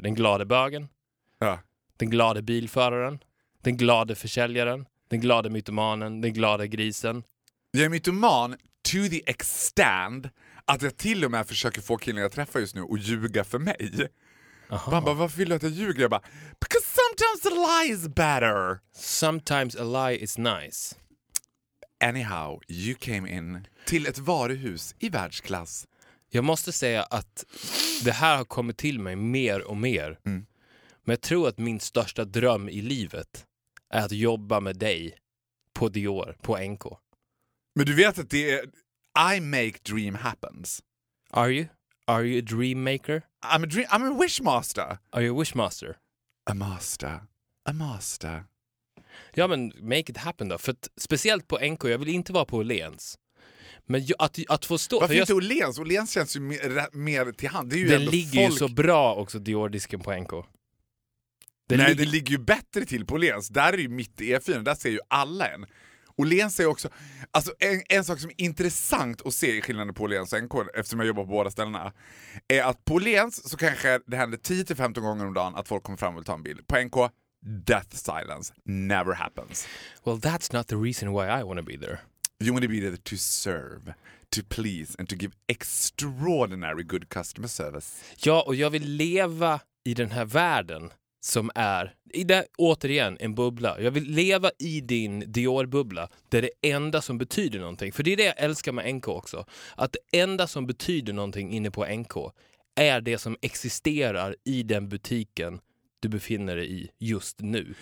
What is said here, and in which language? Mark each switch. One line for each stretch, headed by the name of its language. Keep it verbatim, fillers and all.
Swedish: Den glada bögen. Ja. Den glada bilföraren. Den glada försäljaren. Den glada mytomanen. Den glada grisen. Jag är mytoman
English: to the extent
Swedish: att jag till och med försöker få killen jag träffar just nu att ljuga för mig. Man bara, varför vill du att jag ljuger? Jag bara,
English: because sometimes a lie is better. Sometimes a lie is nice. Anyhow, you came in
Swedish: till ett varuhus i världsklass. Jag måste säga att det här har kommit till mig mer och mer. Mm. Men jag tror att min största dröm i livet är att jobba med dig på Dior, på N K. Men du vet att det är,
English: I make dream happens. Are you? Are you a dream maker? I'm a dream. I'm a wish master. Are you a wish master? A master. A master.
Swedish: Ja, men
English: make it happen
Swedish: då. För att, speciellt på N K, jag vill inte vara på Åhléns. Men ju, att, att få stå... Varför jag, inte Åhléns? Åhléns känns ju mer, mer till hand. Det är ju den ändå ligger folk... ju så bra också, Dior-disken på N K. Den Nej, lig- den ligger ju bättre till på Åhléns. Där är ju mitt i E fyra, där ser ju alla en. Åhléns är också... Alltså en, en sak som är intressant att se i skillnaden på Åhléns och N K, eftersom jag jobbar på båda ställena, är att på Åhléns så kanske det händer tio till femton gånger om dagen att folk kommer fram och vill ta en bild.
English: På N K, death silence. Never happens. Well, that's not the reason why I want to be there. You want to be there to serve, to please and to give extraordinary good customer service.
Swedish: Ja, och jag vill leva i den här världen. Som är, i det, återigen, en bubbla. Jag vill leva i din Dior-bubbla. Där det enda som betyder någonting. För det är det jag älskar med N K också. Att det enda som betyder någonting inne på N K är det som existerar i den butiken du befinner dig i just nu.